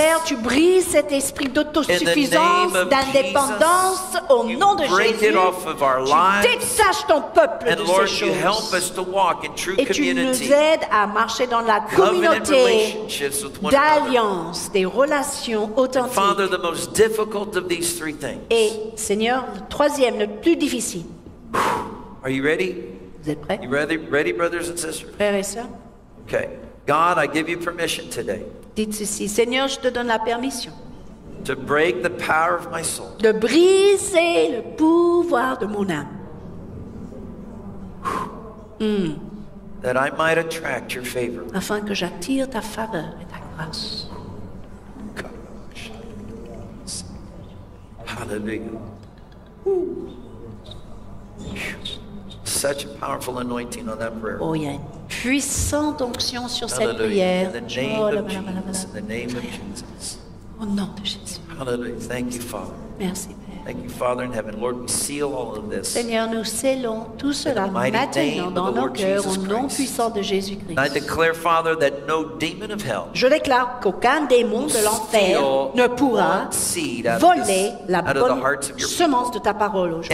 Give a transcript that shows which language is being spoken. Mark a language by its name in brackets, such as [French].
[French] Père, tu brises cet esprit d'autosuffisance, d'indépendance, [English] Jesus, [French] au nom de [English] break [French] Jésus. [English] It off of our lives. [French] Tu détaches ton peuple [English] and [French] de [English] Lord, [French] ces choses. [English] You help us to walk in true [French] et tu [English] community. [French] Nous aides à marcher dans la communauté d'alliances, des relations authentiques. [English] Father, the most difficult of these three things. [French] Et Seigneur, le troisième, le plus difficile. [English] Are you ready? [French] Vous êtes prêts? [English] You ready, ready, brothers and sisters? [French] Frères et sœurs. [English] Okay. God, I give you permission today. [French] Dites ceci. Seigneur, je te donne la permission. [English] To break the power of my soul. [French] De briser le pouvoir de mon âme. [English] That I might attract your favor. [French] Afin que j'attire ta faveur et ta grâce. [English] Gosh. Hallelujah. Such a powerful anointing on that prayer. Oh, yeah. [French] Puissante onction sur [English] Hallelujah. In the name oh, of Jesus. In the name of Jesus. [French] Au nom de Jésus. [English] Hallelujah. Thank you, Father. [French] Merci, Père. [English] Thank you, Father in heaven. Lord, we seal all of this. [French] Seigneur, nous scellons tout cela maintenant dans nos cœurs au nom puissant de Jésus-Christ. [English] I declare, Father, that no demon of hell. [French] Je déclare qu'aucun démon de l'enfer ne pourra voler la bonne semence de ta parole aujourd'hui.